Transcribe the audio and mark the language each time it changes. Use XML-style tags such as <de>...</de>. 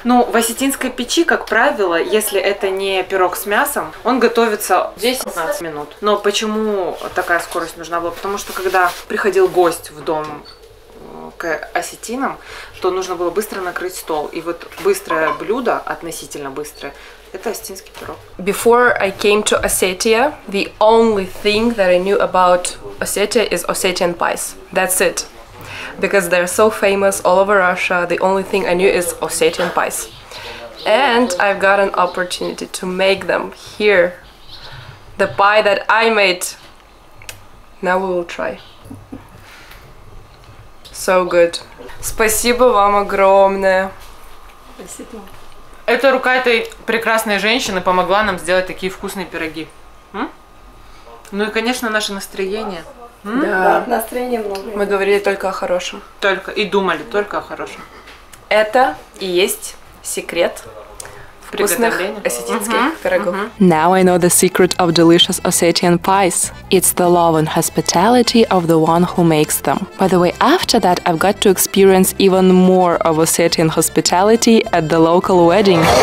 <ru>Ну, в осетинской печи, как правило, если это не пирог с мясом, он готовится 10-15 минут. Но почему такая скорость нужна была? Потому что, когда приходил гость в дом к осетинам, то нужно было быстро накрыть стол. И вот быстрое блюдо, относительно быстрое, это осетинский пирог.</ru> <en>Before I came to Ossetia, the only thing that I knew about Ossetia is Ossetian pies. That's it. Because they're so famous all over Russia, the only thing I knew is Ossetian pies. And I've got an opportunity to make them here. The pie that I made. Now we will try. So good.</en> <ru>Спасибо вам огромное. Спасибо. Это рука этой прекрасной женщины помогла нам сделать такие вкусные пироги. Ну и, конечно, наше настроение. Да, настроение много. Мы говорили только о хорошем. Только и думали только о хорошем. Это и есть секрет вкусных осетинских пирогов.</ru> <en>Now I know the secret of delicious Ossetian pies. It's the love and hospitality of the one who makes them. By the way, after that I've got to experience even more of Ossetian hospitality at the local wedding.</en>